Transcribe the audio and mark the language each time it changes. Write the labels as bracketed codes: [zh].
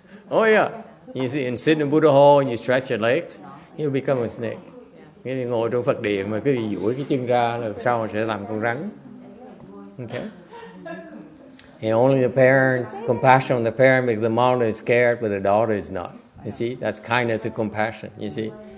[en] Oh yeah. You see, and sit in Buddha Hall and you stretch your legs, you'll become a snake. [vi] Cái gì ngồi trong Phật điện mà cái gì duỗi cái chân ra là sau sẽ làm con rắn. [en] Okay. And only the parents, compassion on the parent because the mother is scared but the daughter is not. You see, that's kindness and compassion, you see.